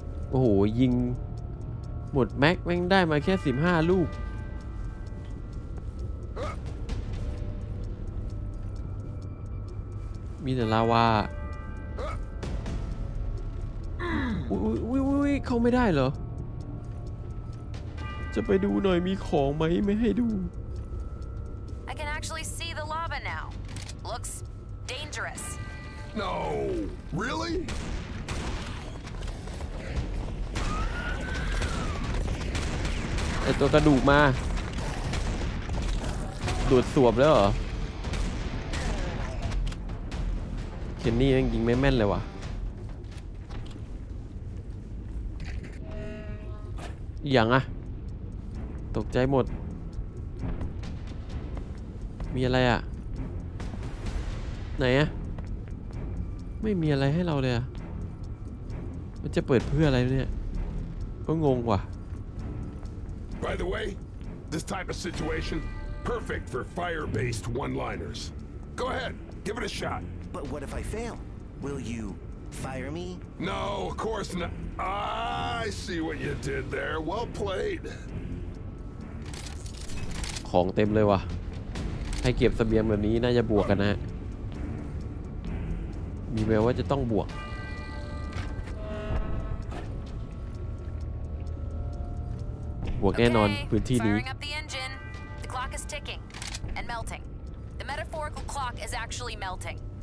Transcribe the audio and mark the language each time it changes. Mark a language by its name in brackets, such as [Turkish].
[Thai] โอ้โหยิงหมดแม็กแม่งได้มาแค่15ลูกมีแต่ลาวาอุ๊ยๆๆๆเข้าไม่ได้เหรอจะไปดูหน่อยมีของไหมไม่ให้ดู [English] I can actually see the lava now. Looks dangerous. No. Really? [Thai] ไอ้ตัวกระดูกมาดูดสวบแล้วเหรอเคนนี่ยังยิงไม่แม่นเลยวะยังอะตกใจหมดมีอะไรอะไหนอะไม่มีอะไรให้เราเลยอะมันจะเปิดเพื่ออะไรเนี่ยก็งงว่ะ [English] By the way, this type of situation, perfect for fire-based one-liners. Go ahead, give it a shot. But what if I fail? Will you fire me? No, of course not. I see what you did there. Well played. [Thai] ของเต็มเลยวะให้เก็บเสบียงแบบนี้น่าจะบวกกันนะมีแววว่าจะต้องบวกบวกแน่นอนพื้นที่นี้ [English] Firing up the engine. The clock is ticking and melting. The metaphorical clock is actually melting.